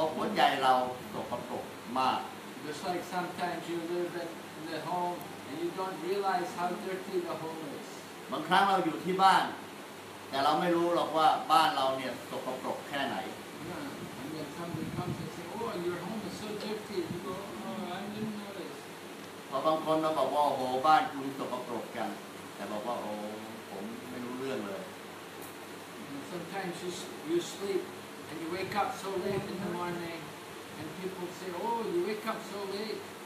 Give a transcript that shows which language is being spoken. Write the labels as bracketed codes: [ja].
[th] การทำความสะอาดหัวใจนี่เป็นงานใหญ่เพราะหัวใจเราสกปรกมาก [en] Just like sometimes you live in the home and you don't realize how dirty the home is. [th] บางครั้งเราอยู่ที่บ้านแต่เราไม่รู้หรอกว่าบ้านเราเนี่ยสกปรกแค่ไหน [en] And then somebody comes and says, "Oh, your home is so dirty." You go, "Oh, I didn't notice." [th] พอบางคนเราบอกว่าโอ้บ้านคุณสกปรกจังแต่บอกว่าโอ้ผมไม่รู้เรื่องเลย [en] Sometimes you sleep and you wake up so late in the morning and people say, oh, you wake up so late.